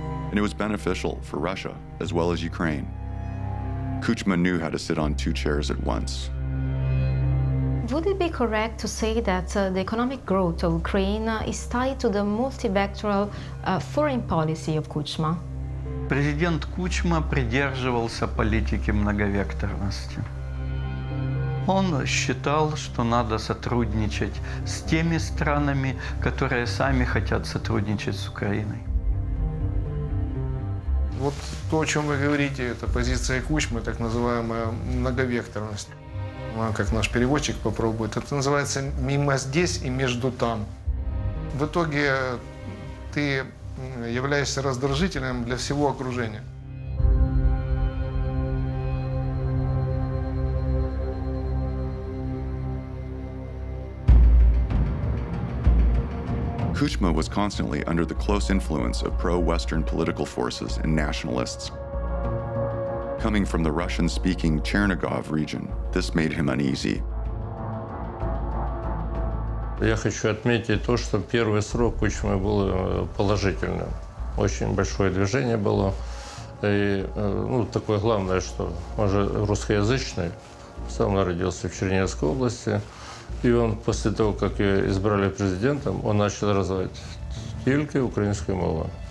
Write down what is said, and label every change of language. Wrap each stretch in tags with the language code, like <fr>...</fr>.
<en>And it was beneficial for Russia as well as Ukraine. Kuchma knew how to sit on two chairs at once. Would it be correct to say that the economic growth of Ukraine is tied to the multivectoral foreign policy of Kuchma?</en> <ru>Президент Кучма придерживался политики многовекторности. Он считал, что надо сотрудничать с теми странами, которые сами хотят сотрудничать с Украиной. Вот то, о чем вы говорите, это позиция Кучмы, так называемая многовекторность. Как наш переводчик попробует, это называется «мимо здесь и между там». В итоге ты являешься раздражителем для всего окружения.</ru> <en>Kuchma was constantly under the close influence of pro-Western political forces and nationalists. Coming from the Russian-speaking Chernigov region, this made him uneasy.</en> <ru>Я хочу отметить то, что первый срок Кучмы был положительным. Очень большое движение было. И, ну, такое главное, что он же русскоязычный. Сам родился в Черниговской области. И он после того, как ее избрали президентом, он начал развивать только украинскую мову.</ru>